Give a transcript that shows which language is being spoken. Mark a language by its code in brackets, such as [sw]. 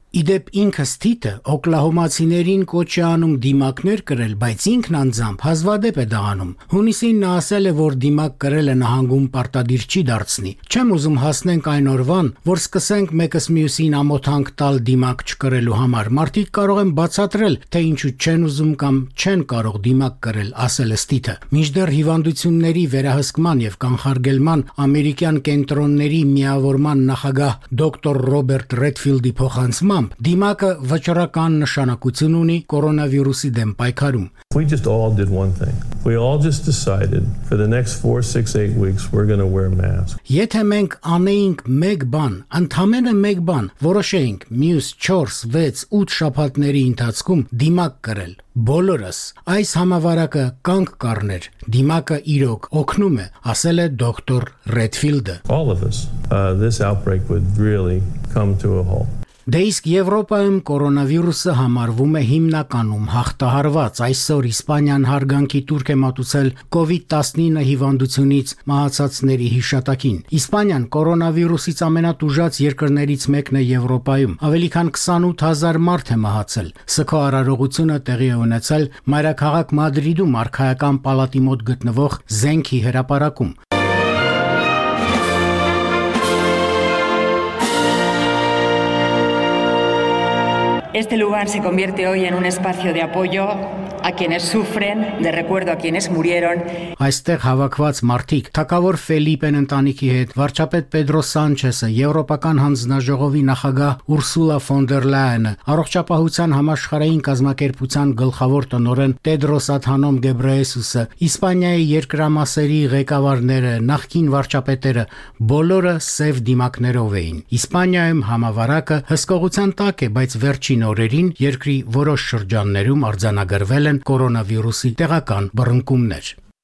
[hy] Իդեպ ինքը Ստիթը օկլահոմացիներին կոչ է անում դիմակներ կրել, բայց ինքն անձամբ հազվադեպ է դա անում։ Հունիսին նա ասել է, որ դիմակ կրելը նահանգում պարտադիր չի դարձնի։ Չեմ ուզում հասնենք այն օրվան, որ սկսենք մեկս մյուսին ամոթանք տալ դիմակ չկրելու համար։ Մարդիկ կարող են բացատրել, թե ինչու չեն ուզում կամ չեն կարող դիմակ կրել, ասել է Ստիթը։ Մինչդեռ հիվանդությունների վերահսկման և կանխարգելման ամերիկյան կենտրոնների միավորման նախագահ դոկտոր Ռոբերտ Ռեդֆիլդի փոխանցում դիմակը վճռական նշանակություն ունի կորոնավիրուսի դեմ պայքարում։ [en] We just all did one thing. We all just decided for the next 4-6-8 weeks we're going to wear masks. [hy] Եթե մենք անեինք մեկ բան, ընդամենը մեկ բան, որոշեինք մյուս 4-6-8 շաբաթների ընթացքում դիմակ կրել, բոլորս, այս համավարակը կանգ կառներ, դիմակը իրոք օգնում է, ասել է դոկտոր Ռեդֆիլդը։ [en] All of us, this outbreak would really come to a halt. [hy] Դե իսկ Եվրոպայում կորոնավիրուսը համարվում է հիմնականում հաղթահարված, այսօր Իսպանիան հարգանքի տուրք է մատուցել COVID-19 հիվանդությունից մահացածների հիշատակին։ Իսպանիան կորոնավիրուսից ամենատուժած երկրներից մեկն է Եվրոպայում, ավելի քան 28,000 մարդ է մահացել։ ՍԿՕ արարողությունը տեղի է ունեցել մայրաքաղաք Մադրիդում արքայական պալատի մոտ գտնվող զենքի հրապարակում։ [es] Este lugar se convierte hoy en un espacio de apoyo a quienes sufren, de recuerdo a quienes murieron. [hy] Այստեղ հավաքված մարդիկ, թակավոր Ֆելիպեն ընտանիքի հետ, վարչապետ Պեդրո Սանչեսը, եվրոպական հանձնաժողովի նախագահ Ուրսուլա ֆոն դեր Լայենը, առողջապահության համաշխարհային կազմակերպության գլխավոր տնօրեն Տեդրոս Աթանոմ Գեբրեյեսուսը, Իսպանիայի երկրամասերի ղեկավարները, նախկին վարչապետերը, բոլորը սև դիմակներով էին։ Իսպանիայում համավարակը հսկողության տակ է, բայց վերջին օրերին երկրի որոշ շրջաններում արձանագրվել են կորոնավիրուսի տեղական բռնկումներ։